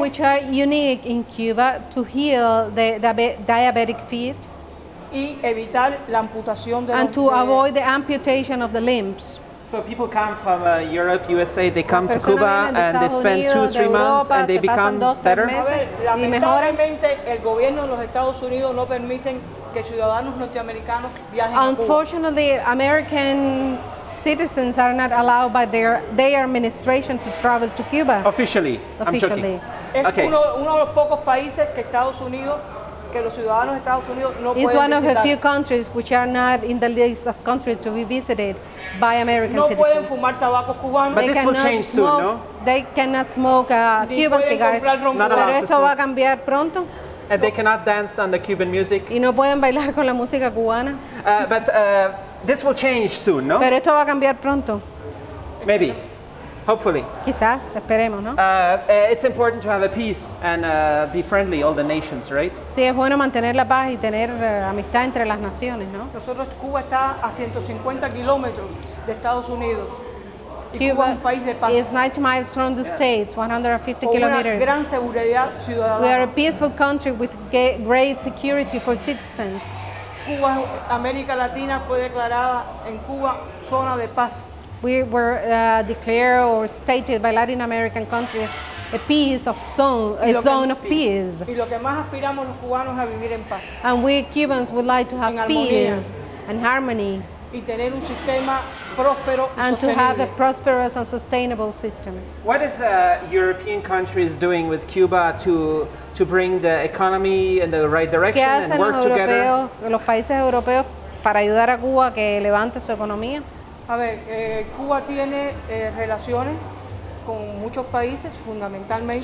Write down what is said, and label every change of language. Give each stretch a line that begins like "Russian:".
English: Which are unique in Cuba to heal the diabetic feet
Spanish: y evitar la amputación de
English: and to avoid the amputation of the limbs. So people come from Europe, USA, they come to Cuba and they spend 2-3 months and they become better.
Spanish: Lamentablemente, el gobierno de los Estados Unidos no permiten que ciudadanos norteamericanos viajen a Cuba.
English: Unfortunately, American citizens are not allowed by their administration to travel to Cuba. Officially. Officially.
Spanish: Es uno de los pocos países que Estados Unidos que los ciudadanos de Estados Unidos no pueden visitar.
English: It's one of a few countries which are not in the list of countries to be visited by American citizens.
Spanish: No pueden fumar tabaco cubano.
English: But this will change soon, no? They cannot smoke Cuban cigars.
Spanish: Pero esto va a cambiar pronto.
English: And they cannot dance on the Cuban music.
Spanish: Y no pueden bailar con la música cubana.
English: This will change soon, no?
Spanish: Pero esto va a cambiar pronto.
English: Maybe. Hopefully.
Spanish: Quizás. Esperemos, ¿no?
English: It's important to have a peace and be friendly, all the nations, right?
Spanish: Sí, es bueno mantener la paz y tener amistad entre las naciones, ¿no? Nosotros, Cuba está a 150 kilómetros de Estados Unidos.
English: Cuba is 90 miles from the States, 150 kilometers. We are a peaceful country with great security for citizens.
Spanish: Cuba, America Latina fue declarada en Cuba zona de paz.
English: We were declared or stated by Latin American countries a peace of zone, a zone of peace.
Spanish: Y lo que más aspiramos los cubanos a vivir en paz.
English: And we Cubans would like to have peace and harmony.
Spanish: Y tener un sistema próspero
English: and to have a prosperous and sustainable system. What is European countries doing with Cuba to bring the economy in the right direction and work
Spanish: europeos,
English: together?
Spanish: Los países europeos para ayudar a Cuba que levante su economía. A ver, Cuba tiene relaciones con muchos países, fundamentalmente.